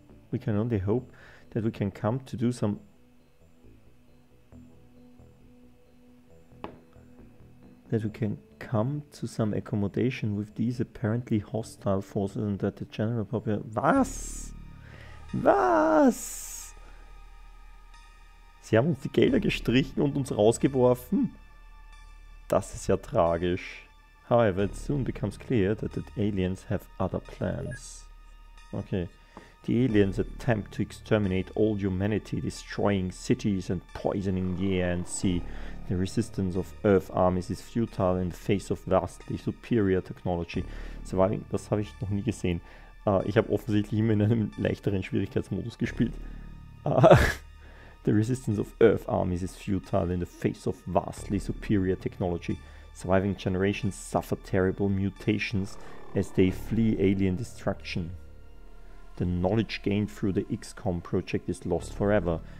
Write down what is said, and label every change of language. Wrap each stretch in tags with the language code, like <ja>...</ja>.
<en>We can only hope that we can come to do some. That we can. come to some accommodation with these apparently hostile forces and that the general population.</en> <de>Was? Was? Sie haben uns die Gelder gestrichen und uns rausgeworfen? Das ist ja tragisch.</de> <en>However, it soon becomes clear that the aliens have other plans. Okay. The aliens attempt to exterminate all humanity, destroying cities and poisoning the air and sea. The resistance of Earth armies is futile in the face of vastly superior technology.</en> <de>Surviving, das habe ich noch nie gesehen. Ich habe offensichtlich immer in einem leichteren Schwierigkeitsmodus gespielt.</de> <en>The resistance of Earth armies is futile in the face of vastly superior technology. Surviving generations suffer terrible mutations as they flee alien destruction. The knowledge gained through the XCOM project is lost forever.</en>